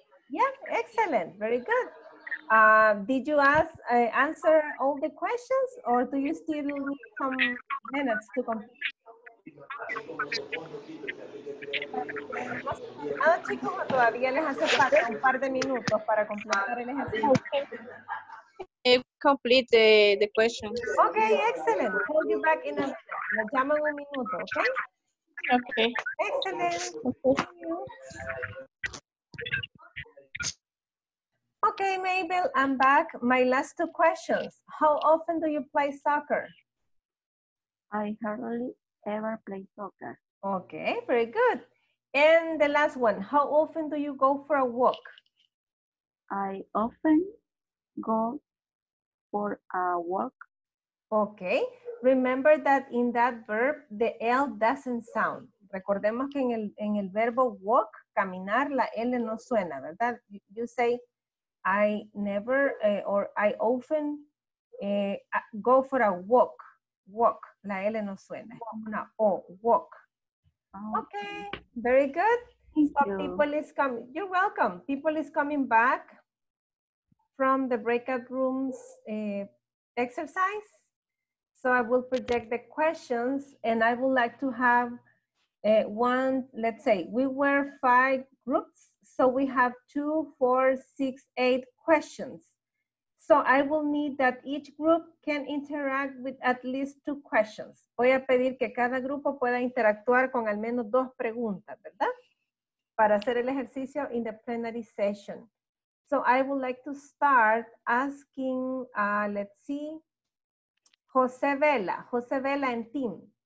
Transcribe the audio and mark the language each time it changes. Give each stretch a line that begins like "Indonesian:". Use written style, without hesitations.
English: Yeah, excellent, very good. Did you answer all the questions, or do you still need some minutes to complete?
Spanish: Ah, chicos, todavía les hace falta un par de minutos para completar el ejercicio.
English: Complete the question. Okay, excellent. Hold you back in a minute.
Spanish: Llama un minuto,
English: okay? Okay. Excellent. Okay, Mabel, I'm back. My last two questions. How often do you play soccer? I hardly ever play soccer. Okay, very good. And the last one. How often do you go for a walk? I often go for a walk. Okay. Remember that in that verb, the L doesn't sound.
Spanish: Recordemos que en el verbo walk, caminar, la L no suena, ¿verdad?
English: You say, I often go for a walk.
Spanish: Walk. La L no suena. Una O. Walk.
English: Okay. Very good. Thank you. You're welcome. People is coming back from the breakout rooms exercise. So I will project the questions and I would like to have one, let's say, we were five groups. So we have 2, 4, 6, 8 questions. So I will need that each group can interact with at least 2 questions.
Spanish: Voy a pedir que cada grupo pueda interactuar con al menos 2 preguntas, ¿verdad? Para hacer el ejercicio
English: in the plenary session. So I would like to start asking, let's see, Jose Vela and team.